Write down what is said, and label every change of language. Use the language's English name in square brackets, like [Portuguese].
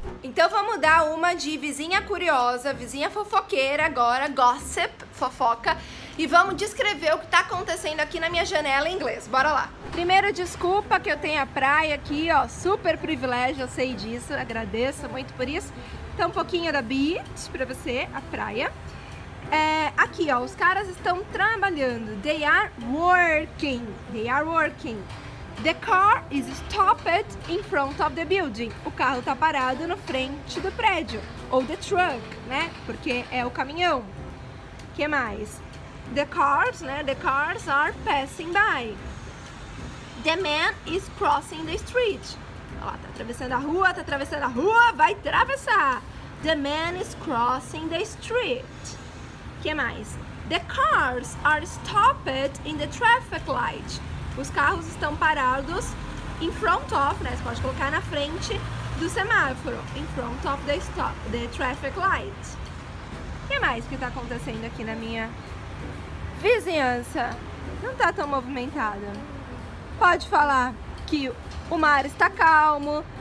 [Portuguese] Então vamos dar uma de vizinha curiosa, vizinha fofoqueira agora, gossip, fofoca, e vamos descrever o que está acontecendo aqui na minha janela em inglês. Bora lá. Primeiro, desculpa que eu tenho a praia aqui, ó, super privilégio, eu sei disso, agradeço muito por isso. Então um pouquinho da beach para você, a praia. É, aqui, ó, os caras estão trabalhando. [English] They are working. They are working. The car is stopped in front of the building. [Portuguese] O carro tá parado na frente do prédio. Ou [English] the truck, [Portuguese] né? Porque é o caminhão. Que mais? [English] The cars, [Portuguese] né? [English] The cars are passing by. The man is crossing the street. [Portuguese] Olha lá, tá atravessando a rua, tá atravessando a rua, vai atravessar. [English] The man is crossing the street. [Portuguese] Que mais? [English] The cars are stopped in the traffic light. [Portuguese] Os carros estão parados [English] in front of, [Portuguese] né? Você pode colocar na frente do semáforo. [English] In front of the stop, the traffic light. [Portuguese] O que mais que está acontecendo aqui na minha vizinhança? Não está tão movimentada. Pode falar que o mar está calmo.